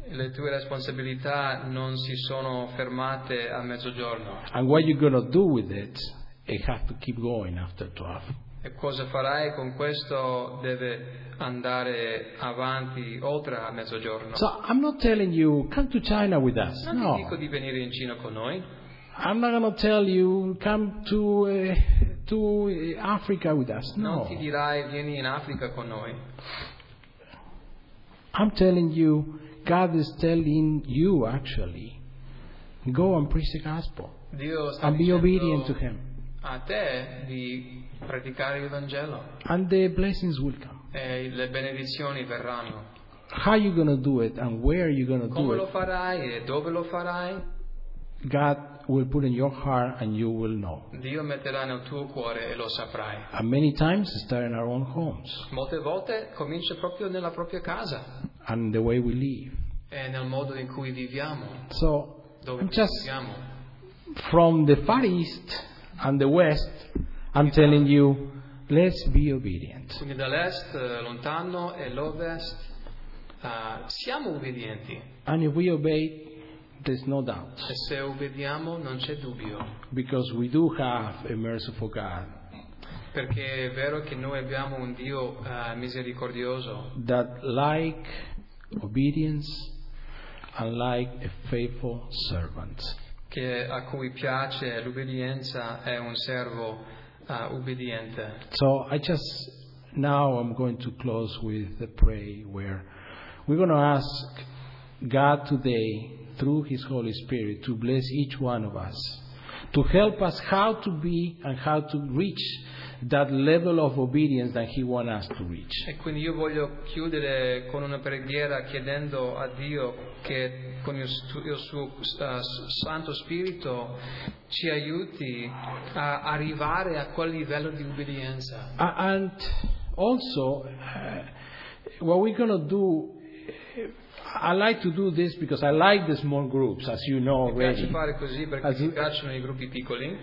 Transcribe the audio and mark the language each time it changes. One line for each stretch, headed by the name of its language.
Italian: Le tue responsabilità non si sono fermate a mezzogiorno.
English: And what you're gonna do with it, it has to keep going after 12.
Italian: E cosa farai con questo deve andare avanti oltre a mezzogiorno.
English: So I'm not telling you come to China with us.
Italian: Non no. Ti dico di venire in Cina con noi.
English: I'm not gonna tell you come to Africa with us. No.
Italian: Non ti dirai vieni in Africa con noi.
English: I'm telling you, God is telling you actually, go and preach the gospel.
Italian: Dio sta
English: and be obedient to Him.
Italian: A te di predicare il Vangelo.
English: And the blessings will come.
Italian: E le benedizioni verranno.
English: How are you gonna do it and where are you gonna
Italian: come
English: do it?
Italian: Come lo farai e dove lo farai?
English: God will put in your heart and you will know.
Italian: Dio metterà nel tuo cuore e lo saprai.
English: And many times start in our own homes.
Italian: Molte volte comincia proprio nella propria casa.
English: And the way we live.
Italian: E nel modo in cui viviamo.
English: So,
Italian: dove viviamo.
English: From the far east and the west, I'm telling you, let's be obedient.
Italian: Quindi dall'est lontano e l'ovest, siamo obbedienti.
English: And if we obey, there's no doubt.
Italian: E se obbediamo, non c'è dubbio.
English: Because we do have a merciful God.
Italian: Perché è vero che noi abbiamo un Dio misericordioso.
English: That like obedience and like a faithful servant.
Italian: che a cui piace l'ubbidienza è un servo ubbidiente.
English: So I just now I'm going to close with a prayer where we're going to ask God today through His Holy Spirit to bless each one of us, to help us how to be and how to reach that level of obedience that He wants us to reach.
Italian: E quindi io voglio chiudere con una preghiera chiedendo a Dio che con il suo Santo Spirito ci aiuti a arrivare a quel livello di obbedienza.
English: And also, what we're going to do, I like to do this because I like the small groups, as you know already.
Italian: Mi piace fare così perché as mi piacciono I gruppi piccoli.